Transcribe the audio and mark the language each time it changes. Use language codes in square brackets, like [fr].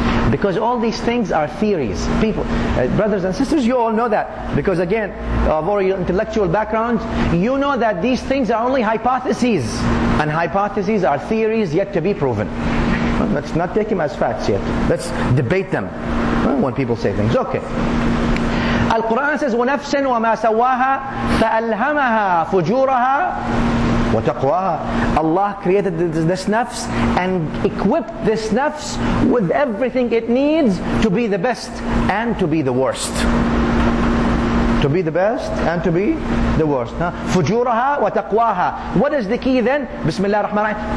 [en] Because all these things are theories. People, brothers and sisters, you all know that. Because again, of all your intellectual backgrounds, you know that these things are only hypotheses. And hypotheses are theories yet to be proven. Let's not take them as facts yet. Let's debate them when people say things. Okay. Al-Quran says, [ar] وَنَفْسٍ وَمَا سَوَّاهَا فَأَلْهَمَهَا فُجُورَهَا وَتَقْوَاهَا. [en] Allah created this nafs and equipped this nafs with everything it needs to be the best and to be the worst. To be the best and to be the worst. [ar] فُجُورَهَا وَتَقْوَاهَا. [en] What is the key then? Bismillah ar-Rahman ar-Rahim.